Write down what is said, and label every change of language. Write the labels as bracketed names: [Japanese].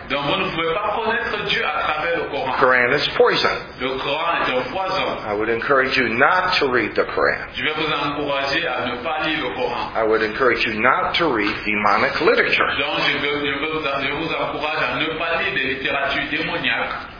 [French] Donc vous ne pouvez pas connaître Dieu à travers le Coran. [English] The Quran is poison. [French] Le Coran est un poison. [English] I would encourage you not to read the Quran. [French] Je vais vous encourager à ne pas lire le Coran. [English] I would encourage you not to read demonic literature. [French] Donc je vous encourage à ne pas lire des littératures démoniaques.